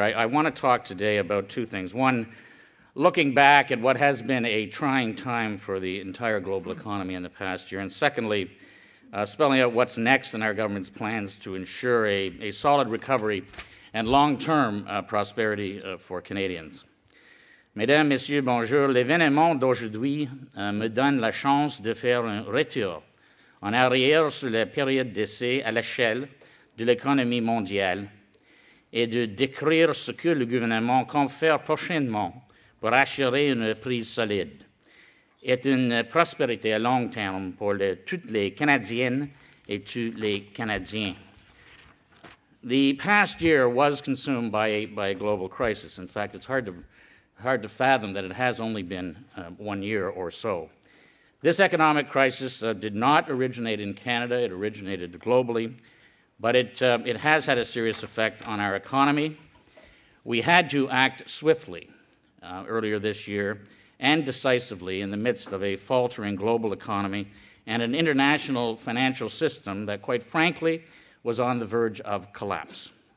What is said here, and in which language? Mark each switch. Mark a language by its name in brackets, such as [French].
[English] I want to talk today about two things. One, looking back at what has been a trying time for the entire global economy in the past year. And secondly, spelling out what's next in our government's plans to ensure a solid recovery and long-term prosperity for Canadians. [French] Mesdames, Messieurs, bonjour. L'événement d'aujourd'hui me donne la chance de faire un retour en arrière sur la période d'essai à l'échelle de l'économie mondiale. Et de décrire ce que le gouvernement compte faire prochainement pour assurer une reprise solide et une prospérité à long terme pour toutes les Canadiennes et tous les Canadiens. [English] The past year was consumed by a global crisis. In fact, it's hard to fathom that it has only been 1 year or so. This economic crisis did not originate in Canada, it originated globally. But it has had a serious effect on our economy. We had to act swiftly earlier this year and decisively in the midst of a faltering global economy and an international financial system that, quite frankly, was on the verge of collapse.